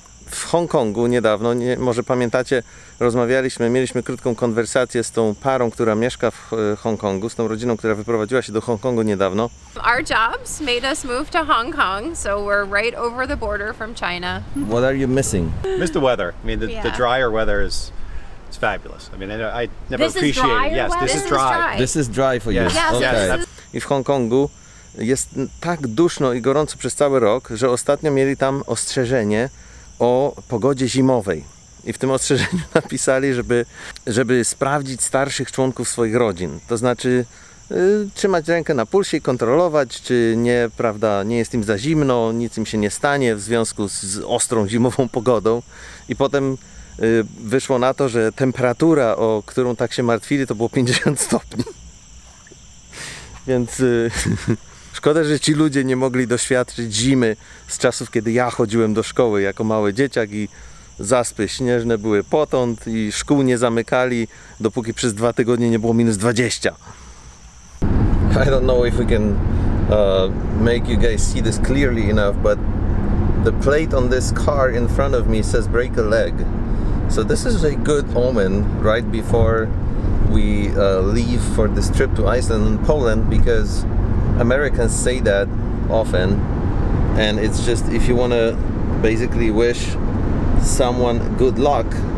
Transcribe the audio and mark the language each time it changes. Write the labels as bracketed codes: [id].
[pl] W Hongkongu niedawno, może pamiętacie, rozmawialiśmy, mieliśmy krótką konwersację z tą parą, która mieszka w Hongkongu, z tą rodziną, która wyprowadziła się do Hongkongu niedawno. [en] Our jobs made us move to Hong Kong, so we're right over the border from China. What are you missing? Miss the weather. I mean, the drier weather is... It's fabulous. I mean, I never appreciate it. Yes, this is dry. This is dry for you. Yes. Okay. [pl] I w Hongkongu jest tak duszno i gorąco przez cały rok, że ostatnio mieli tam ostrzeżenie o pogodzie zimowej. I w tym ostrzeżeniu napisali, żeby sprawdzić starszych członków swoich rodzin. To znaczy trzymać rękę na pulsie i kontrolować, czy nie, prawda, nie jest im za zimno, nic im się nie stanie w związku z ostrą zimową pogodą. I potem wyszło na to, że temperatura, o którą tak się martwili, to było 50 stopni. Więc szkoda, że ci ludzie nie mogli doświadczyć zimy z czasów, kiedy ja chodziłem do szkoły jako mały dzieciak i zaspy śnieżne były potąd i szkół nie zamykali, dopóki przez 2 tygodnie nie było minus 20. [en] I don't know if we can make you guys see this clearly enough, but the plate on this car in front of me says break a leg. So this is a good omen right before we leave for this trip to Iceland and Poland, because Americans say that often, and it's just if you want to basically wish someone good luck.